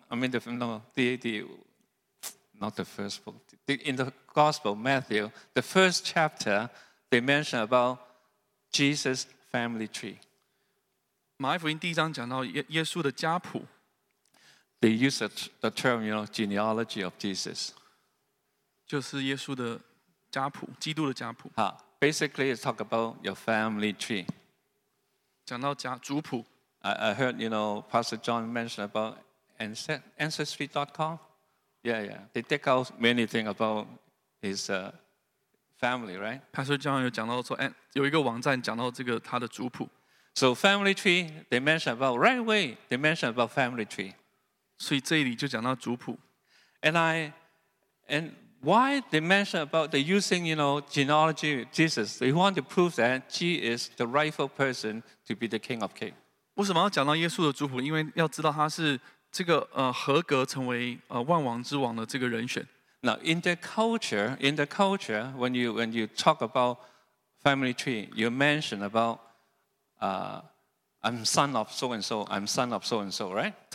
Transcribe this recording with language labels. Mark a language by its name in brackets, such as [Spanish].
[English] I mean, in the Gospel of Matthew, the first chapter, they mention about Jesus' family tree. [Chinese] 马太福音第一章讲到耶稣的家谱。 [English] They use the term, you know, genealogy of Jesus. [Chinese] 就是耶稣的家谱，基督的家谱。 [English] Basically, it's talk about your family tree. [Chinese] 讲到家族谱。 [English] I heard, you know, Pastor John mentioned about Ancestry.com? Yeah, yeah. They take out many things about his family, right? [Chinese] Pastor John 有讲到说，有一个网站讲到这个他的族谱。 [English] So family tree, they mention about right away, they mention about family tree. [Chinese] 所以这里就讲到族谱。 [English] And why they mention about, they're using, you know, genealogy of Jesus. They want to prove that he is the rightful person to be the King of Kings. [Chinese] 为什么要讲到耶稣的族谱?因为要知道他是 这个合格成为万王之王的这个人选。 [English] Now in the culture, when you talk about family tree, you mention about I'm son of so and so, I'm son of so and so, right?